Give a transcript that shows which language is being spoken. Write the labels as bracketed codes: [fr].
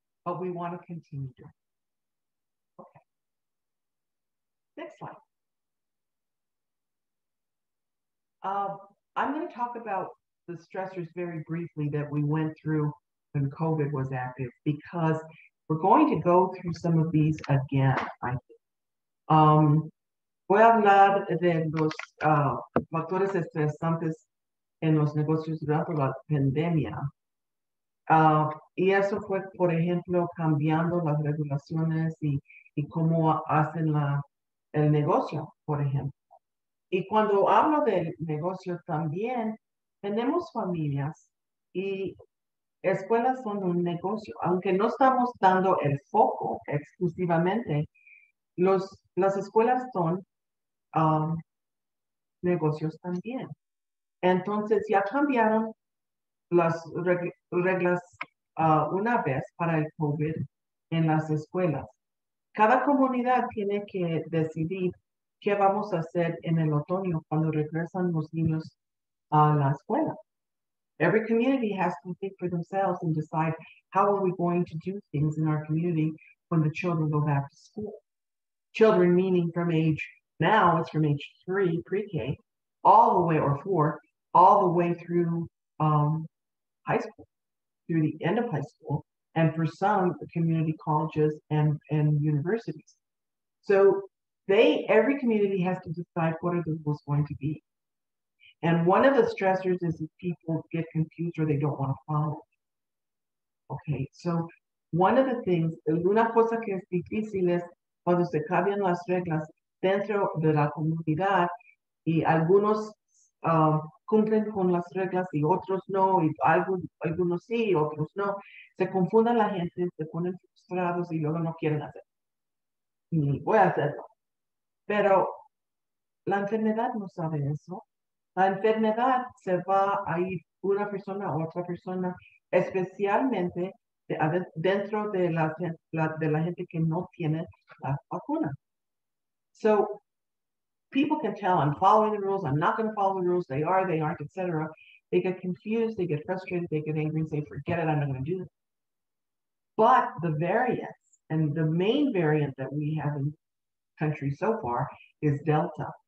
[en] but we want to continue doing it. Okay. Next slide. I'm going to talk about the stressors very briefly that we went through when COVID was active, because we're going to go through some of these again, I think. [es] Voy a hablar de los factores estresantes en los negocios durante la pandemia. Y eso fue, por ejemplo, cambiando las regulaciones y cómo hacen el negocio, por ejemplo. Y cuando hablo del negocio también, tenemos familias y escuelas son un negocio. Aunque no estamos dando el foco exclusivamente, las escuelas son negocios también. Entonces ya cambiaron las reglas una vez para el COVID en las escuelas. Cada comunidad tiene que decidir qué vamos a hacer en el otoño cuando regresan los niños a la escuela. [en] Every community has to think for themselves and decide how are we going to do things in our community when the children go back to school. Children meaning from age, now it's from age 3, pre-K, all the way, or 4, all the way through high school, through the end of high school, and for some, the community colleges and universities. So every community has to decide what are the rules going to be. And one of the stressors is if people get confused or they don't want to follow. Okay, so one of the things, [es] una cosa que es difícil es cuando se cambian las reglas dentro de la comunidad y algunos cumplen con las reglas y otros no, y algunos sí, otros no. Se confunden la gente, se ponen frustrados y luego no quieren hacerlo. Ni voy a hacerlo. Pero la enfermedad no sabe eso. La enfermedad se va a ir una persona a otra persona, especialmente dentro de la gente que no tiene la vacuna. [en] So people can tell, I'm following the rules, I'm not going to follow the rules, they are, they aren't, etc. They get confused, they get frustrated, they get angry and say, forget it, I'm not going to do this. But the variants, and the main variant that we have in country so far is Delta.